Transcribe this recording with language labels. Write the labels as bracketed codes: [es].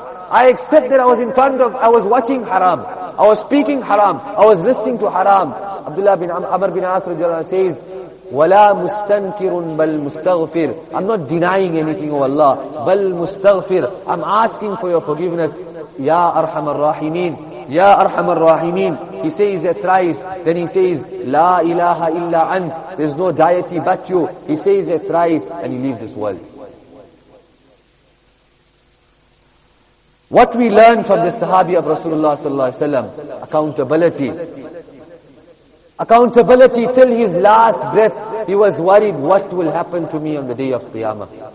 [en] I accept that I was in front of, I was watching haram. I was speaking haram. I was listening to haram. Abdullah bin Amr bin Asr says, [ar] وَلَا مُسْتَنْكِرٌ بَلْ مُسْتَغْفِرٌ. [en] I'm not denying anything, O Allah. [ar] بَلْ مُسْتَغْفِرٌ. [en] I'm asking for your forgiveness. [ar] يَا أَرْحَمَ الرَّاحِمِينَ. يَا أَرْحَمَ الرَّاحِمِينَ. [en] He says that thrice. Then he says, [ar] لَا إِلَهَ إِلَّا أَنْتْ. [en] There's no deity but you. He says that thrice and he leaves this world. What we learn from the Sahabi of Rasulullah sallallahu alaihi wasallam, accountability. Accountability till his last breath. He was worried, what will happen to me on the day of Qiyamah?